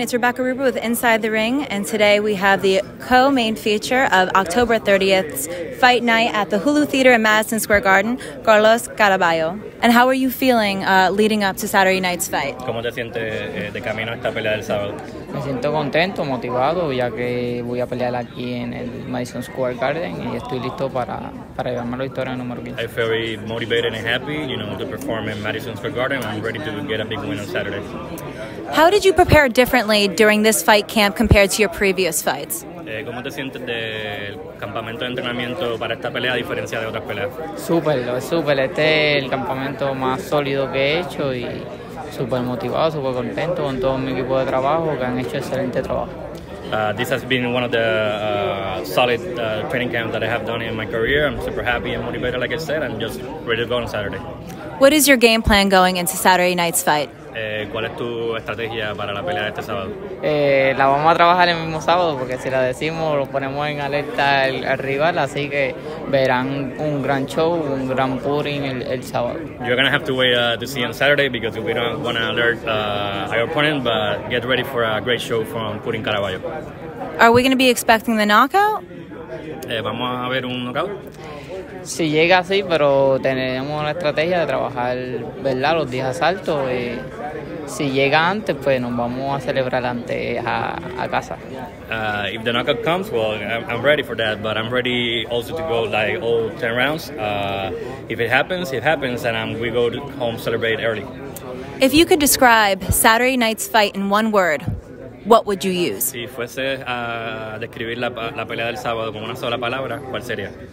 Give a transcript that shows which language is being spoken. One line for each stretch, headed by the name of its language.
English: It's Rebecca Ruber with Inside the Ring, and today we have the co-main feature of October 30th's Fight Night at the Hulu Theater in Madison Square Garden, Carlos Caraballo. And how are you feeling leading up to Saturday night's fight?
Spanish: ¿Cómo te sientes de camino a esta pelea del sábado? Me siento contento, motivado, ya que voy a pelear aquí en el Madison Square Garden y estoy listo para llevarme la victoria número 15.
English: I feel very motivated and happy, you know, to perform in Madison Square Garden. I'm ready to get a big win on Saturday. How did you prepare differently during this fight camp compared to your previous fights?
Spanish: ¿Cómo te sientes del campamento de entrenamiento para esta pelea a diferencia de otras peleas? Súper. Este es el campamento más sólido que he hecho y súper motivado, súper contento con todo mi equipo de trabajo que han hecho excelente trabajo.
English: This has been one of the solid training camps that I have done in my career. I'm super happy and motivated, like I said, and just ready to go on Saturday. What is your game plan going into Saturday night's fight?
Spanish: ¿Cuál es tu estrategia para la pelea de este sábado? La vamos a trabajar el mismo sábado porque si la decimos lo ponemos en alerta al rival, así que verán un gran show, un gran Purin el sábado.
English: You're going to have to wait to see on Saturday because we don't want to alert our opponent, but get ready for a great show from Purin Caraballo. Are we going to be expecting the knockout?
Spanish: ¿Vamos a ver un knockout? Si llega así, pero tenemos la estrategia de trabajar, ¿verdad?, los 10 asaltos. Si llega antes, pues nos vamos a celebrar antes a casa.
English: If the knockout comes, well, I'm ready for that, but I'm ready also to go like all 10 rounds. If it happens, and we go home celebrate early. If you could describe Saturday night's fight in one word, what would you use?
Spanish: Si fuese a describir la pelea del sábado con una sola palabra, ¿cuál sería?